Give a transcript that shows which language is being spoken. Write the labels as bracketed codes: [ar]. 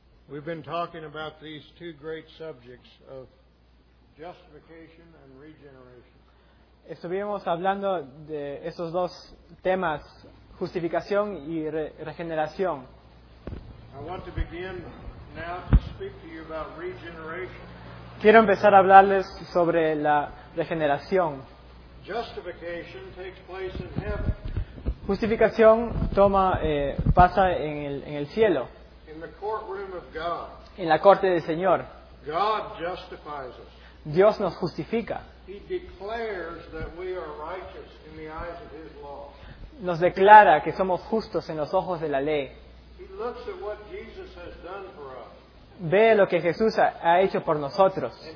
[en] We've been talking about these two great subjects of justification and regeneration. [es] Estuvimos hablando de esos dos temas, justificación y regeneración. [en] I want to begin now to speak to you about regeneration. [es] Quiero empezar a hablarles sobre la regeneración. [en] Justification takes place in heaven. [es] Justificación toma pasa en el cielo. [en] In the courtroom of God. [es] En la corte del Señor. [en] God justifies us. [es] Dios nos justifica. [en] He declares that we are righteous in the eyes of his law. [es] Nos declara que somos justos en los ojos de la ley. [en] He looks at what Jesus has done for us. [es] Ve lo que Jesús ha hecho por nosotros.